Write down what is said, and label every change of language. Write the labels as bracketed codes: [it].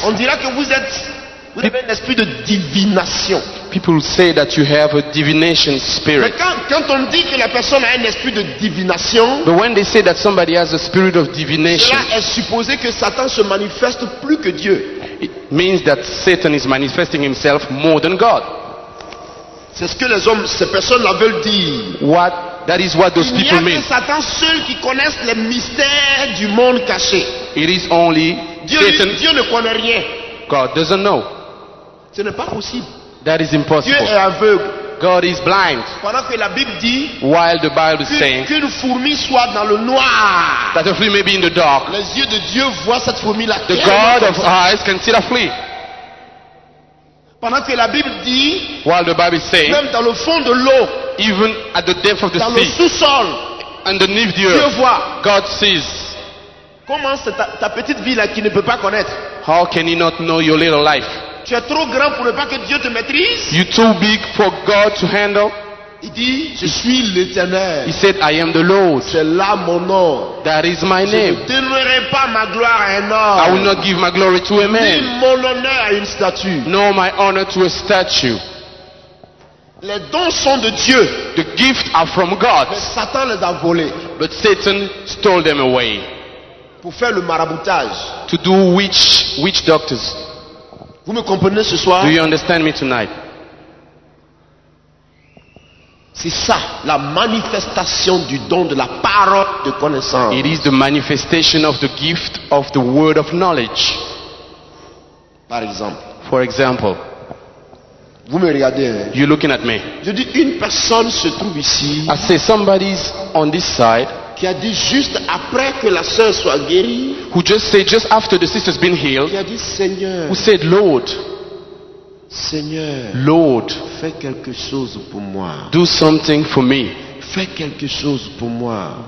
[fr] on dira que vous êtes, vous avez un esprit de divination. [en] People say that you have a divination spirit. [fr] Mais quand on dit que la personne a un esprit de divination, [en] but when they say that somebody has a spirit of divination, [fr] cela est supposé que Satan se manifeste plus que Dieu. [en] It means that Satan is manifesting himself more than God. [fr] C'est ce que les hommes, ces personnes-là veulent dire. [en] What? That is what those people mean. [fr] Il n'y a que Satan seul qui connaisse les mystères du monde caché. [en] It is only [fr] Dieu, [en] Satan. [fr] Dieu ne connaît rien. [en] God doesn't know. [fr] Ce n'est pas possible. [en] That is impossible. [fr] Dieu est aveugle. [en] God is blind. [fr] Pendant que la Bible dit, [en] while the Bible is saying, [fr] qu'une fourmi soit dans le noir, [en] that a flea may be in the dark, [fr] les yeux de Dieu voient cette fourmi là. [en] The God of eyes can see the flea. [fr] Pendant que la Bible dit, [en] while the Bible is saying, [fr] même dans le fond de l'eau, [en] even at the depth of the sea, [fr] dans le sous-sol, [en] underneath the earth, [fr] Dieu voit. [en] God sees. [fr] Comment c'est ta petite vie là qui ne peut pas connaître? [en] How can he not know your little life? [fr] Tu es trop grand pour ne pas que Dieu te maîtrise. [en] You're too big for God to handle. [fr] Il dit, je suis l'Éternel. [en] He said, I am the Lord. [fr] C'est là mon nom. [en] That is my name. [fr] Je ne donnerai pas ma gloire à un homme. [en] I will not give my glory to a man. [fr] Ni mon honneur à une statue. [en] Nor my honor to a statue. [fr] Les dons sont de Dieu. [en] The gifts are from God. [fr] Mais Satan les a volés. [en] But Satan stole them away. [fr] Pour faire le maraboutage. [en] To do witch doctors. [fr] Vous me comprenez ce soir? [en] Do you understand me tonight? [fr] C'est ça, la manifestation du don de la parole de connaissance. [en] It is the manifestation of the gift of the word of knowledge. [fr] Par exemple. [en] For example. [fr] Vous me regardez. [en] You're looking at me. [fr] Je dis, une personne se trouve ici. [en] I say somebody's on this side. [fr] Qui a dit juste après que la sœur soit guérie. [en] Who just said just after the sister's been healed. [fr] Qui a dit Seigneur. [en] Who said Lord. [fr] Seigneur. [en] Lord. [fr] Fais quelque chose pour moi. [en] Do something for me. [fr] Fais quelque chose pour moi.